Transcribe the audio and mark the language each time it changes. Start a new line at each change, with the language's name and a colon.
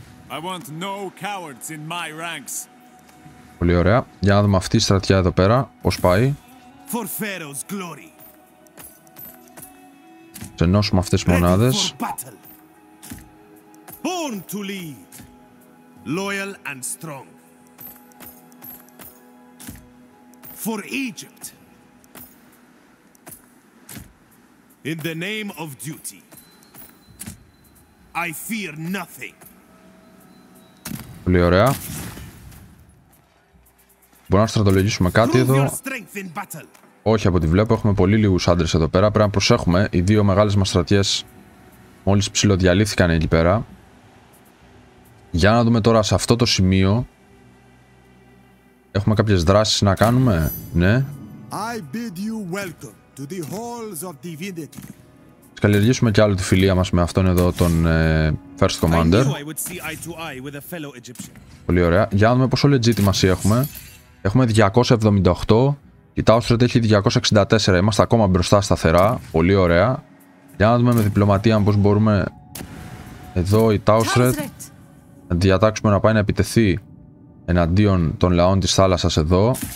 English: I want no cowards in my ranks.
Greek: Πολύ ωραία. Για να δούμε αυτή η στρατιά εδώ πέρα πώς πάει.
English: For Pharaoh's glory.
Greek: Ενώσουμε αυτές τις μονάδες.
English: Born to lead. Loyal and strong. For Egypt. In the name of duty. I fear nothing.
Greek: Πολύ ωραία. Μπορούμε να στρατολογήσουμε κάτι εδώ. Όχι από ό,τι βλέπω. Έχουμε πολύ λίγους άντρες εδώ πέρα. Πρέπει να προσέχουμε. Οι δύο μεγάλες μας στρατιές μόλις ψιλοδιαλύθηκαν εκεί πέρα. Για να δούμε τώρα σε αυτό το σημείο. Έχουμε κάποιες δράσεις να κάνουμε, ναι.
English: I bid you welcome to the halls of divinity.
Greek: Θα καλλιεργήσουμε κι άλλο τη φιλία μας με αυτόν εδώ τον First Commander.
English: I knew I would see eye to eye with a fellow Egyptian.
Greek: Πολύ ωραία. Για να δούμε πόσο legitimacy έχουμε. Έχουμε 278. Κοιτάω ότι έχει 264. Είμαστε ακόμα μπροστά σταθερά. Πολύ ωραία. Για να δούμε με διπλωματία πώς μπορούμε εδώ η Tausret να διατάξουμε να πάει να επιτεθεί εναντίον των λαών της θάλασσας εδώ.